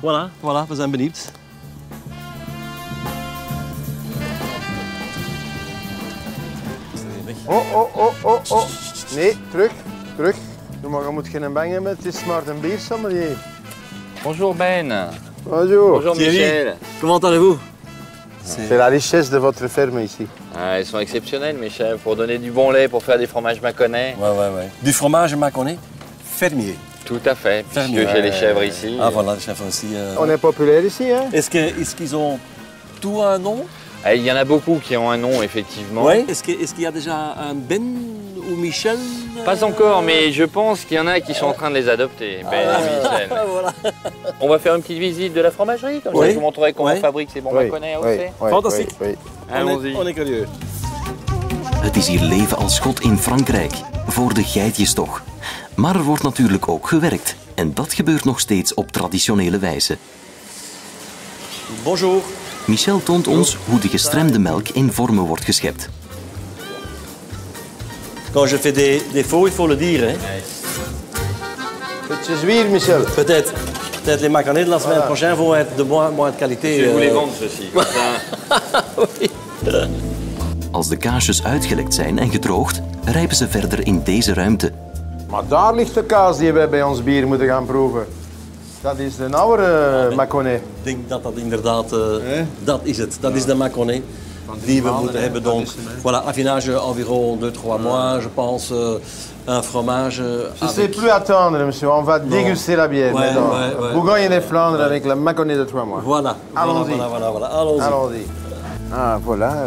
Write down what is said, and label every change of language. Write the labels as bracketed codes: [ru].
[nl] Oké, voilà. We zijn benieuwd. Oh. Nee, terug. Maar je moet geen bang hebben, het is maar een biersommelier. [fr] Bonjour, Ben. Bonjour. Bonjour, Michel. Comment allez-vous? C'est la richesse de votre ferme ici. Ah, ils sont exceptionnels, Michel. Pour donner du bon lait, pour faire des fromages Maconnet. Ouais. Du fromage Maconnet, fermier. Tout à fait. Fermier. J'ai les chèvres ici. Ah, voilà, les chèvres aussi. On est populaire ici, hein? Est-ce qu'ils ont tout un nom? Il y en a beaucoup qui ont un nom, effectivement. Oui. Est-ce qu'il y a déjà un Ben ou Michel? Pas encore, mais je pense qu'il y en a qui sont en train de les adopter. Ben et Michel. Voilà. On va faire une petite visite de la fromagerie, comme ça je vous montrerai comment on fabrique ces bons Maconnet. Fantastique. Allons-y. On est curieux. [nl] Het is hier leven als God in Frankrijk, voor de geitjes toch. Maar er wordt natuurlijk ook gewerkt. En dat gebeurt nog steeds op traditionele wijze. [fr] Bonjour. [nl] Michel toont ons hoe de gestremde melk in vormen wordt geschept. [fr] Quand je fais des faux, il faut le dire. [nl] Het is weer, Michel. [fr] Peut-être les Maconnet de la semaine prochaine vont être de moins de qualité. Je voulais vendre ceci. [nl] Als de kaasjes uitgelekt zijn en gedroogd, rijpen ze verder in deze ruimte. Maar daar ligt de kaas die wij bij ons bier moeten gaan proeven. Dat is de oude Maconnet. Ik denk dat dat inderdaad... Dat is het. Dat is de Maconnet die we moeten hebben. [fr] Donc. Voilà, affinage environ 2-3 mois, je pense. Un fromage... Je ne sais plus attendre, monsieur. On va déguster la bière maintenant. Bourgogne des Flandres avec la Maconnet de 3 mois. Voilà. Allons-y. Allons-y. Ah, voilà.